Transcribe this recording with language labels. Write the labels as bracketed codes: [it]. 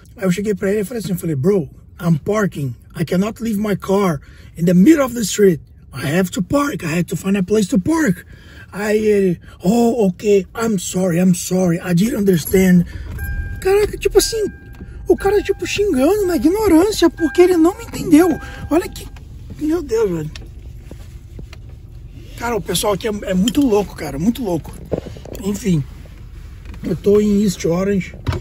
[pt] Aí eu cheguei pra ele e falei assim, eu falei, [en] bro, I'm parking. I cannot leave my car in the middle of the street. I have to park, I have to find a place to park. [pt] Aí ele, [en] oh, okay, I'm sorry, I didn't understand. [pt] Caraca, tipo assim, o cara tipo xingando na ignorância porque ele não me entendeu. Olha que, meu Deus, velho. Cara, o pessoal aqui é muito louco, cara, muito louco. Enfim, eu tô em East Orange.